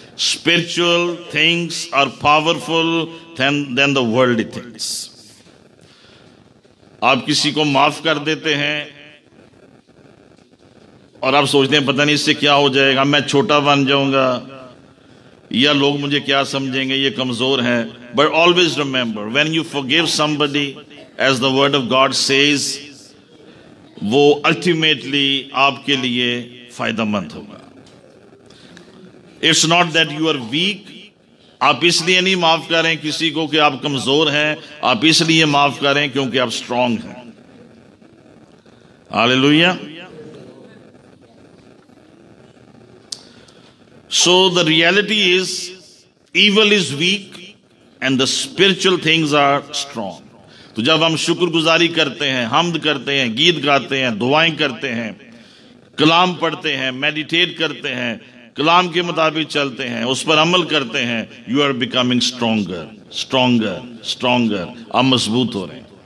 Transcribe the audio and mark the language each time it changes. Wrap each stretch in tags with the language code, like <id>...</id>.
<en>Spiritual things are powerful than the worldly things.</en> <ur>آپ کسی کو معاف کر دیتے ہیں اور آپ سوچتے ہیں پتہ نہیں اس سے کیا ہو جائے گا, میں چھوٹا بن جاؤں گا یا لوگ مجھے کیا سمجھیں گے, یہ کمزور ہیں.</ur> <en>but always remember, when you forgive somebody as the word of God says,</en> <ur>وہ الٹیمیٹلی آپ کے لیے فائدہ مند ہوگا.</ur> <en>it's not that you are weak,</en> <ur>آپ اس لیے نہیں معاف کریں کسی کو کہ آپ کمزور ہیں, آپ اس لیے معاف کریں کیونکہ آپ اسٹرانگ ہیں.</ur> <en>Hallelujah. So the reality is, evil is weak and the spiritual things are strong.</en> <ur>تو جب ہم شکر گزاری کرتے ہیں, حمد کرتے ہیں, گیت گاتے ہیں, دعائیں کرتے ہیں, کلام پڑھتے ہیں, میڈیٹیٹ کرتے ہیں, کلام کے مطابق چلتے ہیں, اس پر عمل کرتے ہیں,</ur> <en>you are becoming stronger stronger stronger,</en> <ur>آپ مضبوط ہو رہے ہیں.</ur>